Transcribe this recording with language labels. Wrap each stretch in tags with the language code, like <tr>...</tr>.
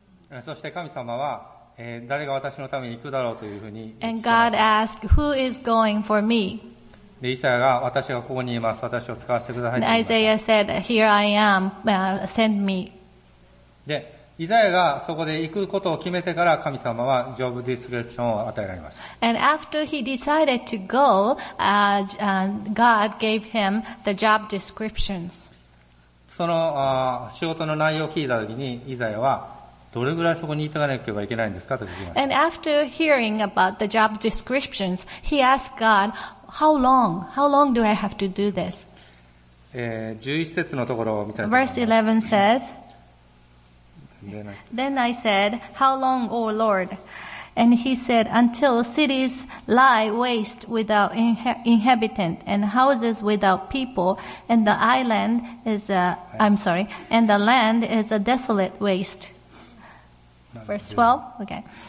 <en>And God asked, "Who is going for me?" And Isaiah said, "Here I am, send me."</en> <ja>で、イザヤがそこで行くことを決めてから神様はジョブディスクリプションを与えられました。</ja> <en>And after he decided to go, God gave him the job descriptions.</en> <ja>その仕事の内容を聞いたときに、イザヤはどれぐらいそこに行かなければいけないんですかと聞きました。</ja> <en>And after hearing about the job descriptions, he asked God, how long do I have to do this?</en> <ja>11節のところを見たいと思います。</ja> <en>Verse 11 says,Then I said, "How long, O Lord?" And he said, "Until cities lie waste without inhabitant, and houses without people, and the island is and the land is a desolate waste." Verse 12. Okay.</en>